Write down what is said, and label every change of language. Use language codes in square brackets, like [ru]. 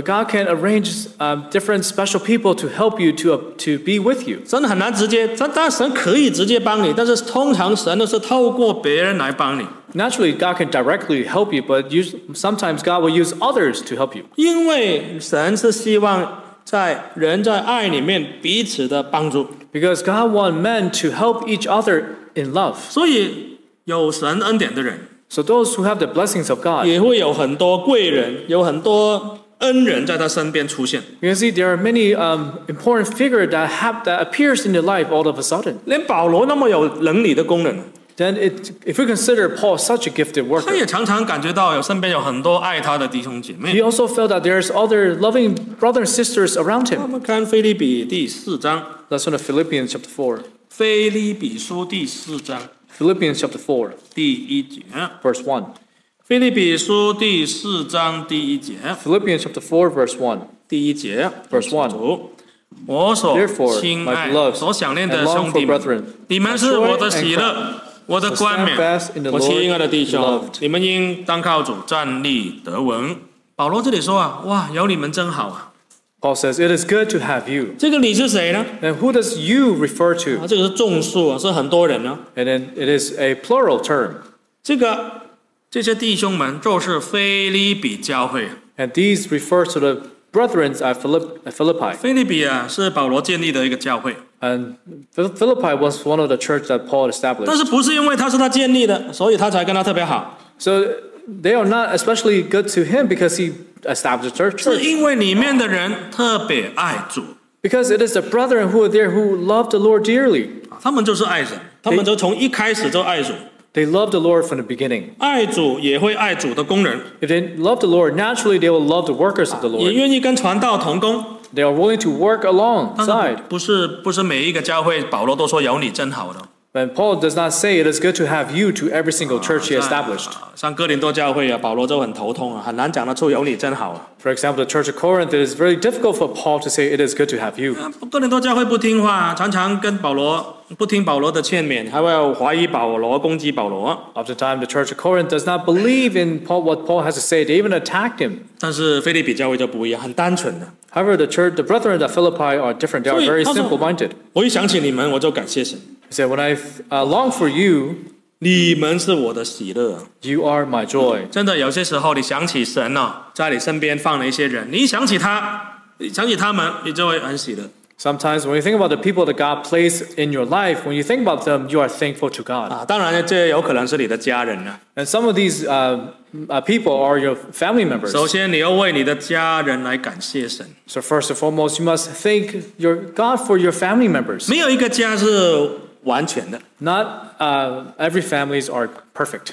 [en] But God can arrange different special people to help you to be with you. [zh] 真的很难直接，但神可以直接帮你，但是通常神都是透过别人来帮你。 [en] Naturally, God can directly help you, but sometimes God will use others to help you. [zh] 因为神是希望在人在爱里面彼此的帮助。 [en] Because God wants men to help each other in love. [zh] 所以有神恩典的人 [en] ，So those who have the blessings of God， [zh] 也会有很多贵人，有很多。恩人在他身边出现。 [en] You can see there are many important figures that appears in your life all of a sudden. [zh] 连保罗那么有能力的工人。 [en] Then if we consider Paul such a gifted worker. [zh] 他也常常感觉到有身边有很多爱他的弟兄姐妹。 [en] He also felt that there's other loving brothers and sisters around him. [zh] 我们看腓立比第四章。 [en] Let's look at Philippians chapter 4. [zh] 腓立比书第四章。 [en] Philippians chapter 4. [zh] 第一节。 [en] Verse 1. [zh] 腓立比书第四章第一节 [en] ，Philippians chapter four verse one， [zh] 第一节 [en] ，verse [zh] one， 我所亲爱、所想念的兄弟们，你们是我的喜乐，我的冠冕，我亲爱的弟兄，你们应当靠主站立得稳。保罗这里说啊，哇，有你们真好啊。 [en] Paul says, "It is good to have you." [zh] 这个你是谁呢 [en] ？And who does you refer to？ [zh] 啊，这个是众数啊，是很多人呢、啊。 [en] And then it is a plural term. [zh] 这些弟兄们就是腓立比教会。 [en] And these refer to the brethren at Philippi. [zh] 腓立比啊，是保罗建立的一个教会。 [en] And Philippi was one of the church that Paul established. [zh] 但是不是因为他是他建立的，所以他才跟他特别好 [en] ？So they are not especially good to him because he established the church. [zh] 是因为里面的人特别爱主。 [en] Because it is the brethren who are there who love the Lord dearly. [zh] 他们就是爱神，他们就从一开始就爱主。 [en] They love the Lord from the beginning. [zh] 爱主也会爱主的工人。 [en] If they love the Lord, naturally they will love the workers of the Lord. [zh] 也愿意跟传道同工。 [en] They are willing to work alongside. [zh] 不是每一个教会保罗都说有你真好的。 [en] But Paul does not say it is good to have you to every single church he established. [zh] 像哥林多教会啊，保罗就很头痛啊，很难讲得出有你真好啊。 [en] For example, the church of Corinth, it is very difficult for Paul to say it is good to have you. [zh] 哥林多教会不听话，常常跟保罗不听保罗的劝勉，还会怀疑保罗，攻击保罗。 [en] After time, the church of Corinth does not believe in what Paul has to say. They even attacked him. [zh] 但是腓立比教会就不一样，很单纯的。 [en] However, the brethren at Philippi are different. They are very simple-minded. [zh] 我一想起你们，我就感谢神。 [en] He said, "When I long for you, [zh] 你们是我的喜乐。 [en] You are my joy." [zh] 真的，有些时候你想起神呢、啊，在你身边放了一些人，你一想起他们，你就会很喜乐。 [en] Sometimes when you think about the people that God placed in your life, when you think about them, you are thankful to God. [zh] 啊，当然，这有可能是你的家人呢。 [en] And some of these people are your family members. [zh] 首先，你要为你的家人来感谢神。 [en] So first and foremost, you must thank your God for your family members. [zh] 没有一个家是完全的。 [en] Not every families are perfect.